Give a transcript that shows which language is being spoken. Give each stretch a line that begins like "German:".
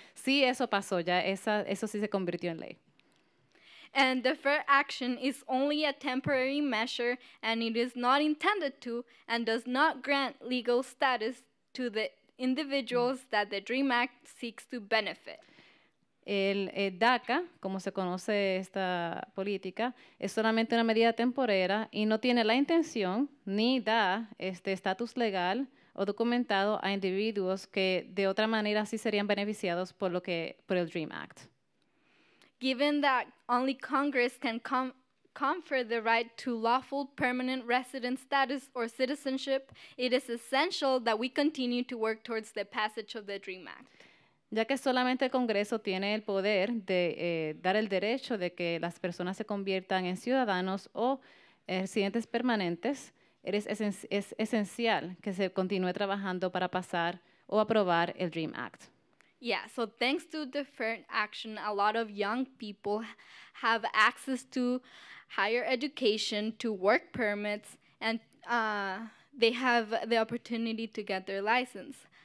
Spanish: Sí, eso pasó, ya eso sí se convirtió en ley.
English: And deferred action is only a temporary measure and it is not intended to and does not grant legal status to the individuals that the Dream Act seeks to benefit.
Spanish: El DACA, como se conoce esta política, es solamente una medida temporera y no tiene la intención ni da estatus legal o documentado a individuos que de otra manera sí serían beneficiados por el Dream Act.
English: Given that only Congress can confer the right to lawful permanent resident status or citizenship, it is essential that we continue to work towards the passage of the Dream Act.
Spanish: Ya que solamente el Congreso tiene el poder de dar el derecho de que las personas se conviertan en ciudadanos o residentes permanentes, es esencial que se continúe trabajando para pasar o aprobar el Dream Act.
English: Yeah, so thanks to deferred action, a lot of young people have access to higher education, to work permits, and they have the opportunity to get their license.